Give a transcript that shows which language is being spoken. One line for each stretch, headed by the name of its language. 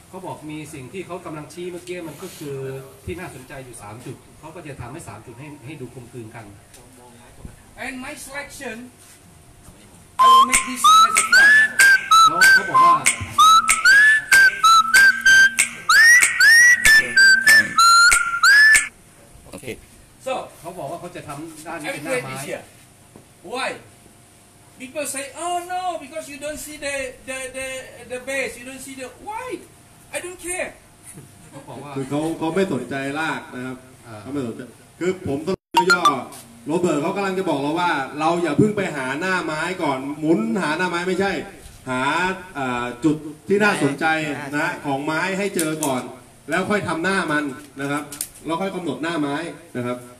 Thai: เขาบอกมีสิ่งที่เขากำลังชี้เมื่อกี้มันก็คือที่น่าสนใจอยู่3จุดเขาก็จะทำให้3จุดให้ดูคลุมคลืนกัน
English: And my selection, I will make this as a plan.
Thai: แล้วเขาบอกว่า โอเค
English: So
Thai: เขาบอกว่าเขาจะทำด้านนี้เป็นหน้าไม้
English: Why? People say, oh no, because you don't see the base, you don't see the white. I don't care.
Thai: คือเขาไม่สนใจรากนะครับเขาไม่สนใจคือผมต้องย่อโรเบิร์ตเขากำลังจะบอกเราว่าเราอย่าเพิ่งไปหาหน้าไม้ก่อนหมุนหาหน้าไม้ไม่ใช่หาจุดที่น่าสนใจนะของไม้ให้เจอก่อนแล้วค่อยทำหน้ามันนะครับเราค่อยกำหนดหน้าไม้นะครับ